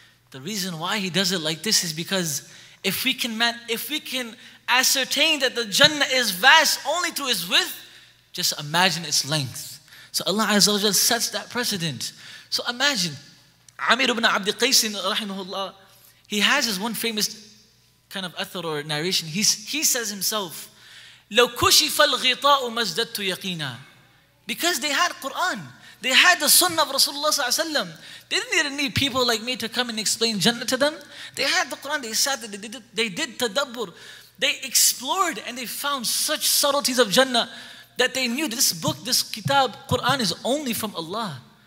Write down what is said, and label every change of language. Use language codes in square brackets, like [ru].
[en] The reason why He does it like this is because if we can ascertain that the Jannah is vast only through its width, just imagine its length. So Allah Azza wa Jal sets that precedent. So imagine, Amir ibn Abd al-Qays, rahimahullah, he has his one famous kind of author or narration. [ar] He says himself, لَوْ كُشِفَ الْغِطَاءُ مَزْدَدْتُ يَقِينًا. [en] Because they had Quran. They had the Sunnah of Rasulullah sallallahu alayhi wa sallam. They didn't even need people like me to come and explain Jannah to them. They had the Quran. They sat there. They did tadabbur. They explored and they found such subtleties of Jannah that they knew this book, this kitab, Quran is only from Allah.